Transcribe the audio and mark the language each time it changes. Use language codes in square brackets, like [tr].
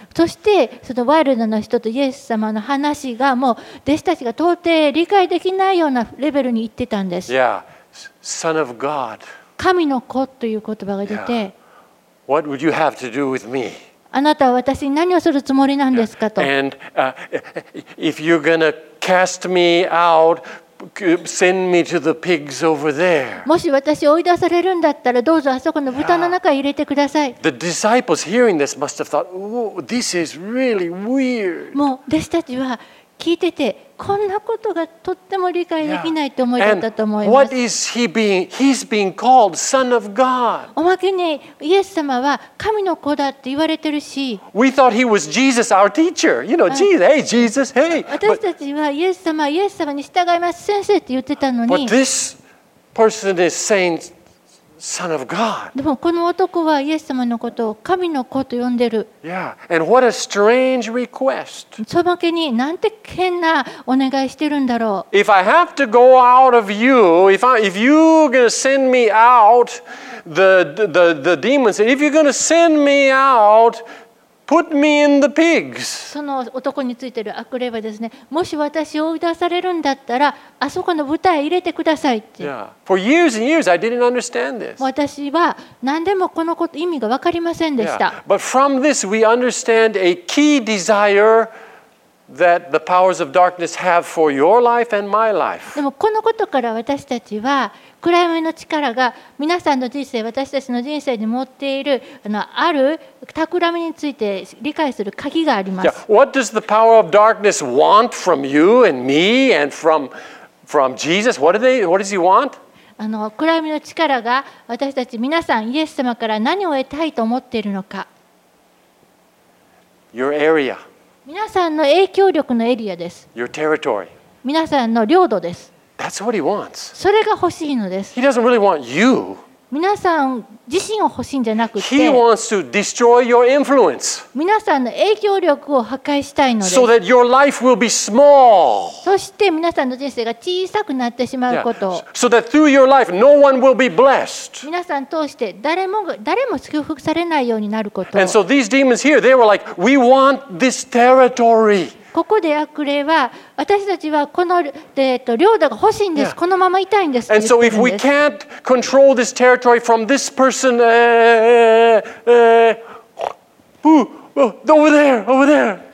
[ja] そしてそのワイルドの人とイエス様の話がもう弟子たちが到底理解できないようなレベルに行ってたんです。 [en] Yeah, Son of God. [ja] 神の子という言葉が出て、 [en] What would you have to do with me? [ja] あなたは私に何をするつもりなんですかと。 [en] And if you're gonna cast me out, send me to the pigs over there. [ja] もし私を追い出されるんだったら、どうぞあそこの豚の中へ入れてください。 [en] The disciples hearing this must have thought, this is really weird. [ja] もう弟子たちは聞いてて。こんなことがとっても理解できないと思ったと思います。 [en] What is he being? He's being called Son of God. [ja] おまけにイエス様は神の子だって言われてるし。 [en] We thought he was Jesus, our teacher. You know, Jesus. Hey, Jesus. Hey. [ja] 私たちはイエス様に従います先生って言ってたのに。 [en] But this person is saying Son of God. [ja] でもこの男はイエス様のことを神の子と呼んでる。 [en] Yeah, and what a strange request. [ja] そばけになんて変なお願いしてるんだろう。 [en] If I have to go out of you, if you're gonna send me out, the demons, if you're gonna send me out, put me in the pigs. [ja] その男についてる悪霊はですね、もし私を追い出されるんだったら、あそこの豚へ入れてくださいって。 [en] Yeah. For years and years, I didn't understand this. [ja] 私は何でもこのこと意味が分かりませんでした。 [en] Yeah. But from this, we understand a key desire. That the powers of darkness have for your life and my life. [ja] でもこのことから私たちは暗闇の力が皆さんの人生、私たちの人生に持っているある企みについて理解する鍵があります。 [en] Yeah. What does the power of darkness want from you and me and from Jesus? What does he want? [ja] 暗闇の力が私たち皆さん、イエス様から何を得たいと思っているのか。 [en] Your area. [ja] 皆さんの影響力のエリアです。 [en] Your territory. [ja] 皆さんの領土です。 [en] That's what he wants. [ja] それが欲しいのです。 [en] He doesn't really want you. [ja] 皆さん自身を欲しいんじゃなくて、 [en] He wants to destroy your influence. [ja] 皆さんの影響力を破壊したいのです。 [en] So that your life will be small. [ja] そして皆さんの人生が小さくなってしまうこと。 [en] Yeah. So that through your life, no one will be blessed. [ja] 皆さん通して誰も祝福されないようになること。 [en] And so these demons here, they were like, we want this territory. [ja] ここで悪霊は私たちはこの領土が欲しいんです、yeah. このままいたいんです。 [en] And so if we can't control this territory from this person, over there, over there.